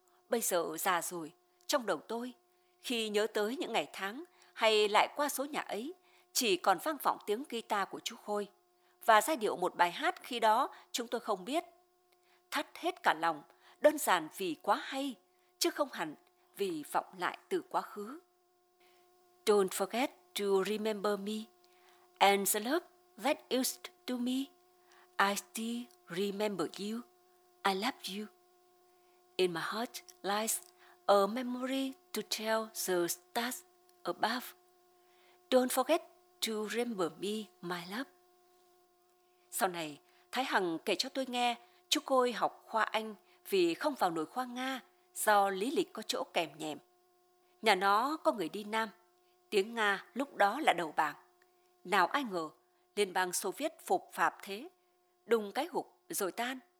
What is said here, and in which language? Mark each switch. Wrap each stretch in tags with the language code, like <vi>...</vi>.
<vi>Bây giờ già rồi, trong đầu tôi, khi nhớ tới những ngày tháng hay lại qua số nhà ấy, chỉ còn vang vọng tiếng guitar của chú Khôi và giai điệu một bài hát khi đó chúng tôi không biết. Thắt hết cả lòng, đơn giản vì quá hay, chứ không hẳn vì vọng lại từ quá khứ.</vi> <en>Don't forget to remember me and the love that used to me. I still remember you. I love you. In my heart lies a memory to tell the stars above. Don't forget to remember me, my love.</en> <vi>Sau này, Thái Hằng kể cho tôi nghe chú Khôi học khoa Anh vì không vào nổi khoa Nga do lý lịch có chỗ kèm nhèm. Nhà nó có người đi Nam, tiếng Nga lúc đó là đầu bảng. Nào ai ngờ, Liên bang Xô Viết phục phạp thế, đùng cái hục rồi tan.</vi>